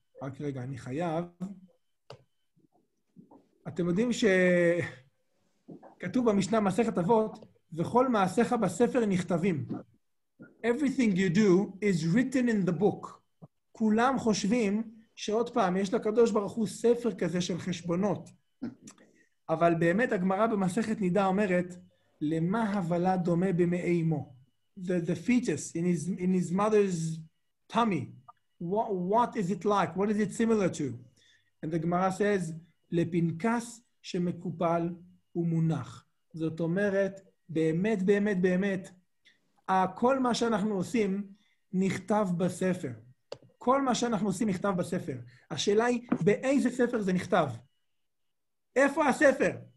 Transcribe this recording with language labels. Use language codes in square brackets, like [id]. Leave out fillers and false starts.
[he] רק רגע, אני חייב. אתם יודעים שכתוב במשנה מסכת אבות, וכל מעשיך בספר נכתבים. [en] Everything you do is written in the book. [he] כולם חושבים שעוד פעם, יש לקדוש ברוך הוא ספר כזה של חשבונות. אבל באמת הגמרא במסכת נידה אומרת, למה הוולד דומה במעי אמו? [en] The fetus in his mother's tummy. What is it like? What is it similar to? And the Gemara says, [he] לפנקס שמקופל ומונח. זאת אומרת, באמת, באמת, באמת, כל מה שאנחנו עושים נכתב בספר. כל מה שאנחנו עושים נכתב בספר. השאלה היא, באיזה ספר זה נכתב? איפה הספר?